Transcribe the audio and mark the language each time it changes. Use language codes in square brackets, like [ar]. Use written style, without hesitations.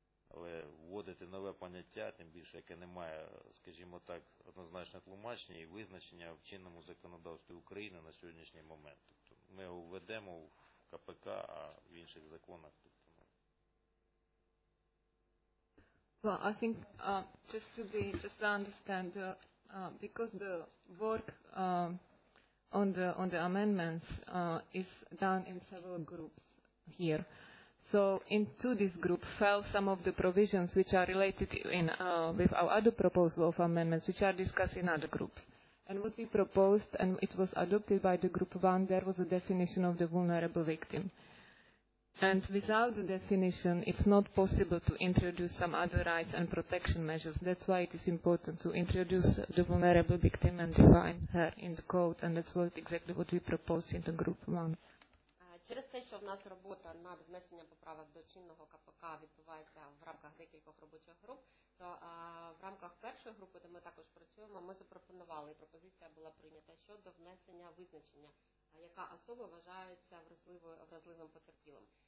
[uk] Але вводити нове поняття, тим більше, яке не має, скажімо так, однозначно тлумачення і визначення в чинному законодавстві України на сьогоднішній момент. Тобто ми його введемо в КПК, а в інших законах. [en] Well, I think just to understand, because the work on the amendments is done in several groups here. So into this group fell some of the provisions which are related in with our other proposal of amendments, which are discussed in other groups. And what we proposed, and it was adopted by the group one, there was a definition of the vulnerable victim. And without the definition, it's not possible to introduce some other rights and protection measures. That's why it is important to introduce the vulnerable victim and define her in the code. And that's what exactly what we proposed in the group one. [uk] Через те, що в нас робота над внесенням поправок до чинного КПК відбувається в рамках декількох робочих груп, то в рамках першої групи, де ми також працюємо, ми запропонували, і пропозиція була прийнята щодо внесення визначення, яка особа вважається вразливим потерпілим.